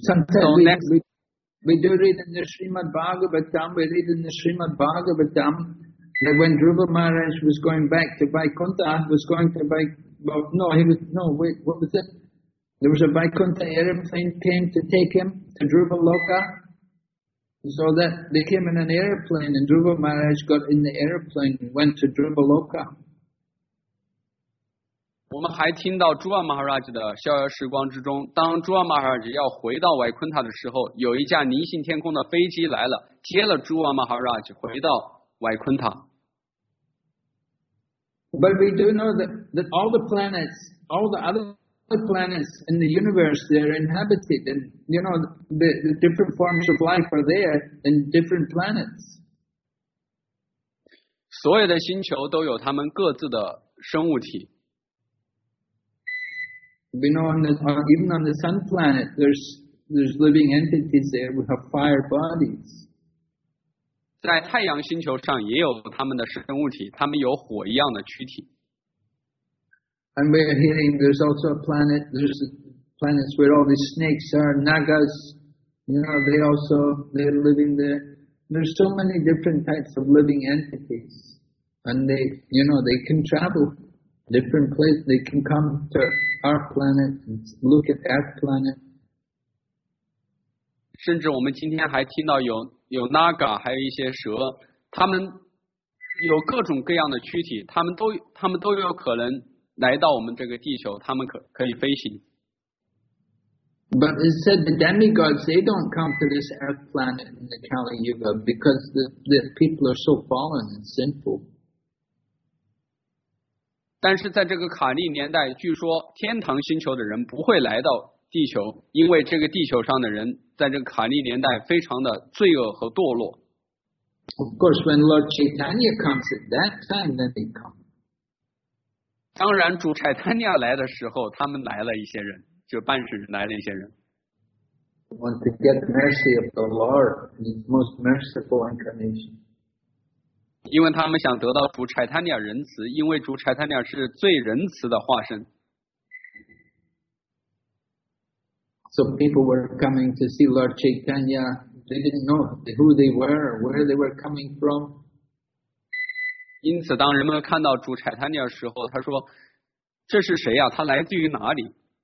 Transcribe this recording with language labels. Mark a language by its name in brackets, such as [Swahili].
[English] Sometimes we do read in the Srimad Bhagavatam, that when Dhruva Maharaj was going back to Vaikuntha, there was a Vaikuntha airplane came to take him to Dhruva Loka, so that they came in an airplane and Dhruva Maharaj got in the airplane and went to Dhruva Loka. [Chinese] 我们还听到朱瓦马哈拉吉的逍遥时光之中，当朱瓦马哈拉吉要回到维昆塔的时候，有一架宁信天空的飞机来了，接了朱瓦马哈拉吉回到维昆塔。 [English] But we do know that all the planets, all the other planets in the universe, they are inhabited, and you know the different forms of life are there in different planets. [Chinese] 所有的星球都有他们各自的生物体。 [English] We know even on the sun planet, there's living entities there. We have fire bodies. [Chinese] 在太阳星球上也有他们的生物体，他们有火一样的躯体。 [English] And we are hearing there's also a planet. There's planets where all these snakes are, nagas. You know, they're living there. There's so many different types of living entities, and they can travel different places. They can come to. Our planet, look at our planet. [Chinese] 甚至我们今天还听到有 Naga， 还有一些蛇，他们有各种各样的躯体，他们都有可能来到我们这个地球，他们可以飞行。 [English] But it said the demigods, they don't come to this earth planet in the Kali Yuga because the people are so fallen and sinful. [Chinese] 但是在这个卡利年代，据说天堂星球的人不会来到地球，因为这个地球上的人在这个卡利年代非常的罪恶和堕落。 [English] Of course, when Lord Chaitanya comes at that time, then they come. [Chinese] 当然，主柴坦尼亚来的时候，他们来了一些人，就半世人来了一些人。 [English] Want to get mercy of the Lord in His most merciful incarnation. [Chinese] 因为他们想得到主柴坦尼亚仁慈，因为主柴坦尼亚是最仁慈的化身。 [English] So people were coming to see Lord Chaitanya. They didn't know who they were, or where they were coming from. [Chinese] 因此当人们看到主柴塔尼亚的时候，他说这是谁呀、啊、他来自于哪里。